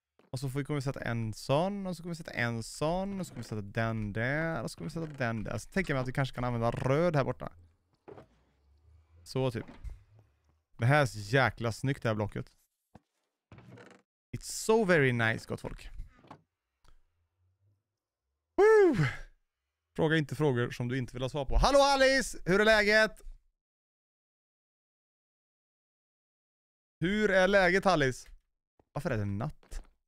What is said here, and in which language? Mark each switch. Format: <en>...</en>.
<sv>Och så får vi kommer sätta en sån, och så kommer vi sätta en sån, och så kommer vi sätta den där, och så kommer vi sätta den där. Så tänker jag mig att vi kanske kan använda röd här borta. Så typ. Det här är så jäkla snyggt, det här blocket.</sv> <en>It's so very nice,</en> <sv>gott folk. Woo! Fråga inte frågor som du inte vill ha svar på. Hallå Alice! Hur är läget Alice? Varför är det natt?</sv>